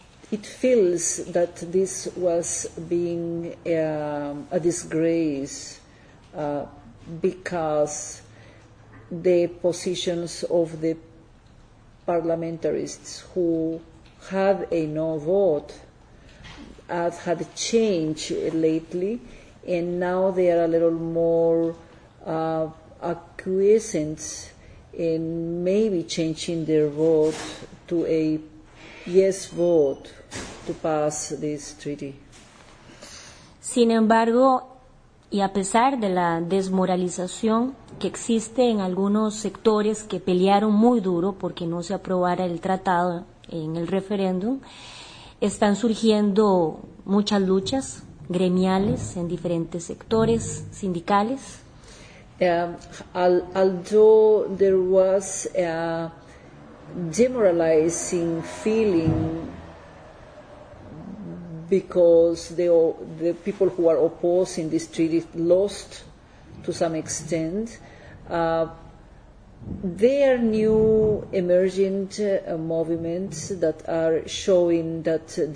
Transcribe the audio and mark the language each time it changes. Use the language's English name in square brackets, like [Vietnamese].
[English] It feels that this was being a disgrace because the positions of the parliamentarists who had a no vote had changed lately, and now they are a little more acquiescent in maybe changing their vote to a yes vote to pass this treaty. [Spanish] Sin embargo, y a pesar de la desmoralización que existe en algunos sectores que pelearon muy duro porque no se aprobara el tratado en el referéndum, están surgiendo muchas luchas gremiales en diferentes sectores sindicales. [English] Although there was a demoralizing feeling because the people who are opposing this treaty lost to some extent, there are new emergent movements that are showing that